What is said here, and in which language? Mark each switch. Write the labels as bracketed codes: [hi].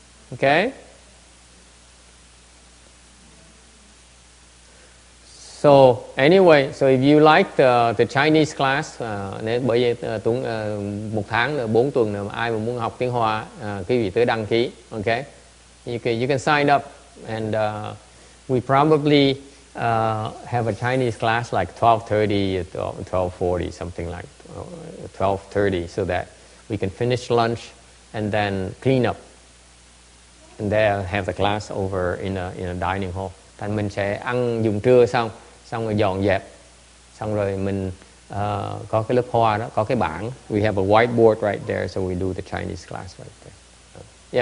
[en] Okay. So anyway, so if you like the Chinese class, [vi] nên bởi vì tuần một tháng là 4 tuần là ai mà muốn học tiếng Hoa, quý vị tới đăng ký. [en] Okay, you can sign up, and we probably have a Chinese class like 12:30, 12:40, something like 12:30, so that we can finish lunch and then clean up. And they have the class over in a dining hall. [vi] Thành mình sẽ ăn dùng trưa xong, xong rồi dọn dẹp. Xong rồi mình có cái lớp hoa đó, có cái bảng. [en] We have a whiteboard right there, so we do the Chinese class right there.